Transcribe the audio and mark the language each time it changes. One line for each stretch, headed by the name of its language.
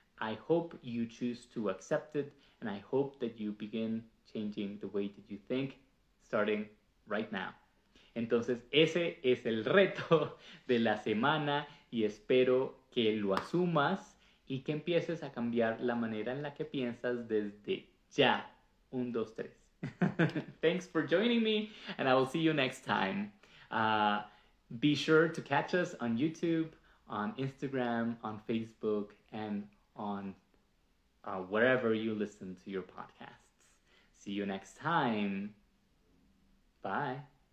English: I hope you choose to accept it, and I hope that you begin changing the way that you think, starting right now.
Spanish: Entonces, ese es el reto de la semana, y espero que lo asumas y que empieces a cambiar la manera en la que piensas desde ya. 1, 2, 3.
English: Thanks for joining me, and I will see you next time. Be sure to catch us on YouTube, on Instagram, on Facebook, and on wherever you listen to your podcasts. See you next time. Bye.